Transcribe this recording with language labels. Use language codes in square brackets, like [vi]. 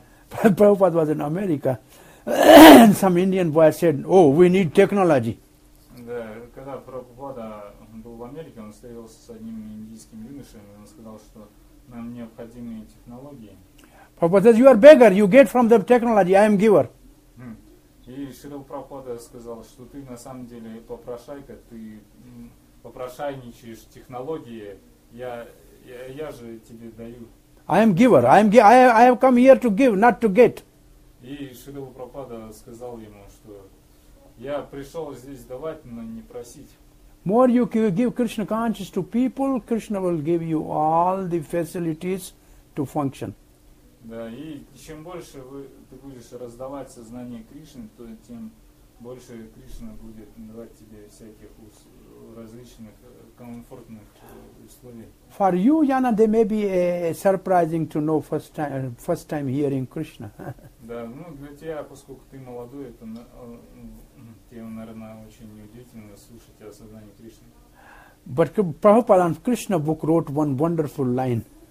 [en] Prabhupada was in America, and some Indian boy said, "Oh, we need technology." [ru] Когда Прабхупада был в Америке, он встретился с одним индийским юношем, и он сказал, что нам необходимы технологии. [en] Prabhupada says, "You are beggar. You get from the technology. I am giver." [ru] И Шрила Прабхупада сказал, что ты на самом деле попрошайка, ты попрошайничаешь технологии. Я же тебе даю. [en] I am giver. I have come here to give, not to get. [ru] И Шрила Прабхупада сказал ему, что я пришел здесь давать, но не просить. [en] More you give Krishna consciousness to people, Krishna will give you all the facilities to function. [ru] Да, и чем больше ты будешь раздавать сознание Кришны, то тем больше Кришна будет давать тебе всяких различных комфортных условий. [en] For you, Yana, they may be surprising to know first time hearing Krishna. [ru] Да, ну для тебя, поскольку ты молодой, это тебе, наверное, очень неудивительно слушать о сознании Кришны. [en] But Prabhupada on Krishna book wrote one wonderful line.